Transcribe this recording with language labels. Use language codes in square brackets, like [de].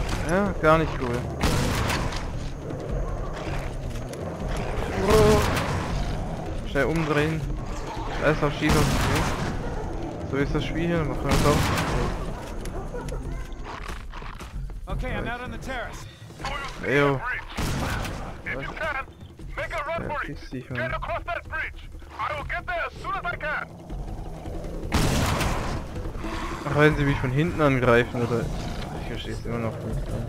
[de] Ja, gar nicht cool. Schnell umdrehen. Alles auf Schießen. Okay. So ist das Spiel hier, machen wir doch. [en] Okay, I'm out on the terrace. Ew. If you can, make a run for it. Get across that bridge. I will get there as soon as I can. [de] Ach, wenn sie mich von hinten angreifen, oder? Ich verstehe es immer noch nicht.